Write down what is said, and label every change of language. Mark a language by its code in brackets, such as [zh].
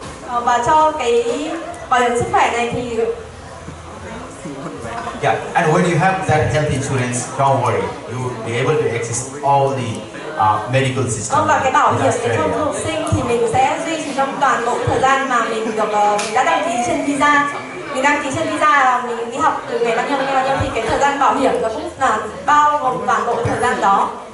[vi] Và cho cái bảo hiểm sức khỏe này thì [en] yeah, and when you have that health insurance, don't worry, you will be able to access all the medical system. [vi] Và cái bảo hiểm cho du học sinh thì mình sẽ duy trì trong toàn bộ thời gian mà mình được mình đã đăng ký trên visa. Mình đăng ký trên visa là mình đi học từ ngày bao nhiêu đến bao nhiêu thì cái thời gian bảo hiểm nó cũng là bao gồm toàn bộ thời gian đó.